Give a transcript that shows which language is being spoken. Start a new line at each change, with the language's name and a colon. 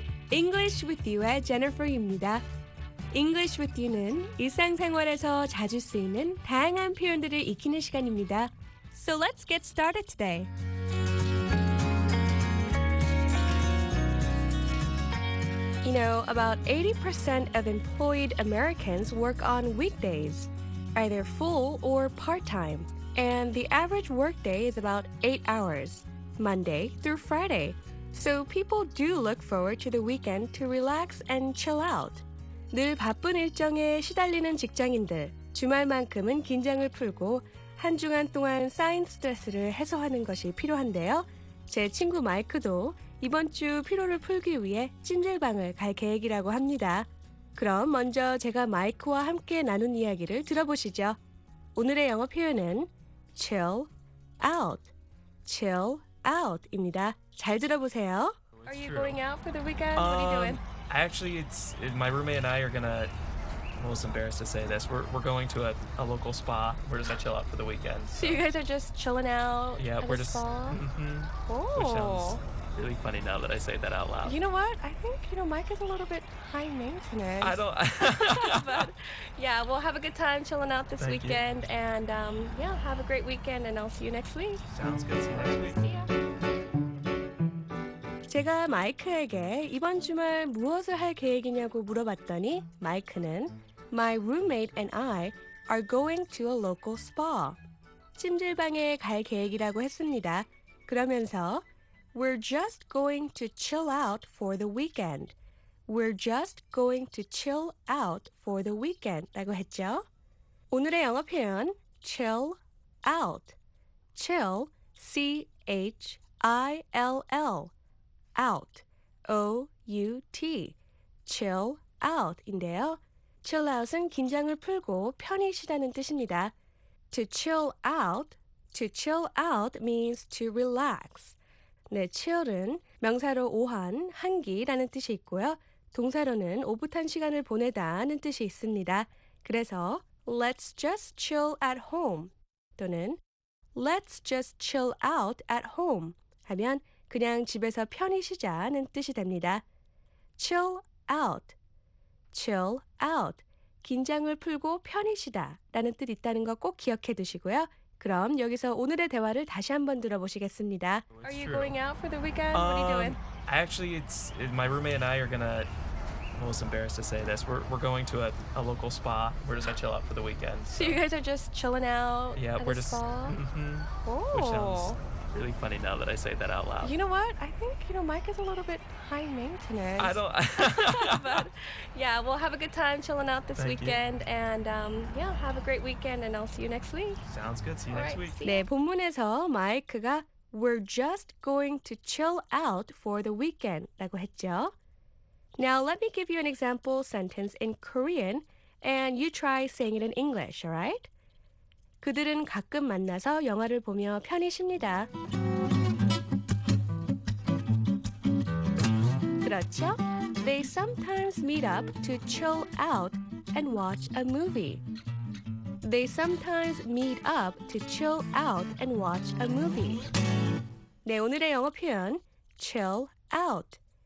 Korean: English with you의 Jennifer입니다. English with you는 일상생활에서 자주 쓰이는 다양한 표현들을 익히는 시간입니다.
English: So let's get started today. 80% of employed Americans work on weekdays, either full or part-time, and the average workday is about 8 hours, Monday through Friday. So people do look forward to the weekend to relax and chill out.
Korean: 늘 바쁜 일정에 시달리는 직장인들, 주말만큼은 긴장을 풀고 한 주간 동안 쌓인 스트레스를 해소하는 것이 필요한데요. 제 친구 마이크도 이번 주 피로를 풀기 위해 찜질방을 갈 계획이라고 합니다. 그럼 먼저 제가 마이크와 함께 나눈 이야기를 들어보시죠. 오늘의 영어 표현은 chill out, chill out입니다. 잘 들어보세요.
English: Are you going out for the weekend? What are you doing? Actually, my roommate and I are gonna. I'm almost embarrassed to say this. We're going to a local spa. We're just gonna chill out for the weekend. So you guys are just chilling out. Yeah, at we're a just. Spa? Mm-hmm. Oh. Really funny now that I say that out loud. You know what? I think, you know, Mike is a little bit high maintenance. I don't. But yeah, we'll have a good time chilling out this Thank weekend. You. And yeah, have a great weekend and I'll see you next week. Sounds good. See you next week. See ya.
Korean: 제가 마이크에게 이번 주말 무엇을 할 계획이냐고 물어봤더니 마이크는
English: My roommate and I are going to a local spa.
Korean: 찜질방에 갈 계획이라고 했습니다. 그러면서
English: We're just going to chill out for the weekend. We're just going to chill out for the weekend
Korean: 라고 했죠. 오늘의 영어 표현 chill out.
English: Chill, C-H-I-L-L. out, O-U-T, chill out인데요.
Korean: chill out은 긴장을 풀고 편히 쉬다는 뜻입니다.
English: to chill out means to relax.
Korean: 네, chill은 명사로 오한, 한기라는 뜻이 있고요. 동사로는 오붓한 시간을 보내다는 뜻이 있습니다. 그래서
English: let's just chill at home
Korean: 또는
English: let's just chill out at home
Korean: 하면 그냥 집에서 편히 쉬자는 뜻이 됩니다.
English: Chill out. Chill out.
Korean: 긴장을 풀고 편히 쉬다 라는 뜻 있다는 거 꼭 기억해 두시고요. 그럼 여기서 오늘의 대화를 다시 한번 들어보시겠습니다.
English: Are you going out for the weekend? What are you doing? Actually, my roommate and I are going to... I'm almost embarrassed to say this. We're going to a local spa. We're just going to chill out for the weekend. So you guys are just chilling out yeah, at we're the just, spa? Mm-hmm. Oh. Which sounds... Really funny now that I say that out loud. You know what? I think, you know, Mike is a little bit high maintenance. I don't... But, yeah, we'll have a good time chilling out this Thank weekend. You. And, yeah, have a great weekend and I'll see you next week. Sounds good. See you All next week.
Korean: 네, 본문에서 마이크가
English: We're just going to chill out for the weekend
Korean: 라고 했죠.
English: Now, let me give you an example sentence in Korean and you try saying it in English, all right?
Korean: 그들은 가끔 만나서 영화를 보며 편히 쉽니다. 그렇죠?
English: They sometimes meet up to chill out and watch a movie. They sometimes meet up to chill out and watch a movie.
Korean: 네, 오늘의 영어 표현, chill out.